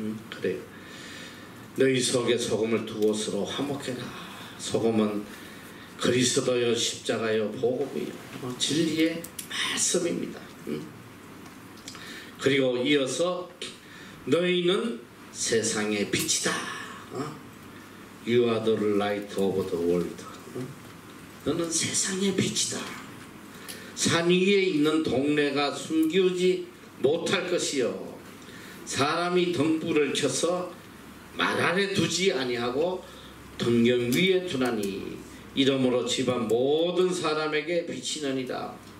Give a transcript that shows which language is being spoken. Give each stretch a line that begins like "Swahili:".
Korean: 그래요. 너희 속에 소금을 두고서로 화목해라. 소금은 그리스도여 십자가여 복음이여 진리의 말씀입니다. 그리고 이어서 너희는 세상의 빛이다.
English: You are the light of the world.
Korean: 너는 세상의 빛이다. 산 위에 있는 동네가 숨기지 못할 것이요. 사람이 등불을 켜서 말 아래 두지 아니하고 등경 위에 두나니 이러므로 집안 모든 사람에게 비치느니라.